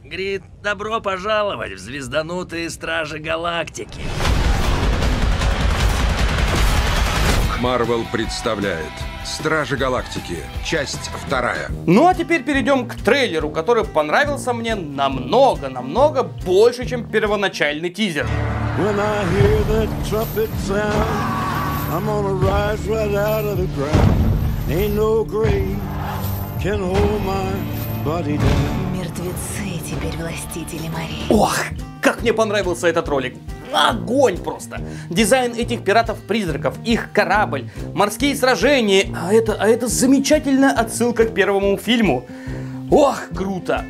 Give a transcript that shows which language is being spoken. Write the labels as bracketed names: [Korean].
[Russian] Грит, добро пожаловать в Звезданутые Стражи Галактики. Марвел представляет Стражи Галактики, часть вторая. Ну а теперь перейдем к трейлеру, который понравился мне намного больше, чем первоначальный тизер. [English] When I hear the trumpet sound, I'm gonna rise right out of the ground. Ain't no grave can hold my body down. [Russian] Мертвецы теперь властители морей. Ох, как мне понравился этот ролик. Огонь просто! Дизайн этих пиратов-призраков, их корабль, морские сражения, а это замечательная отсылка к первому фильму. Ох, круто!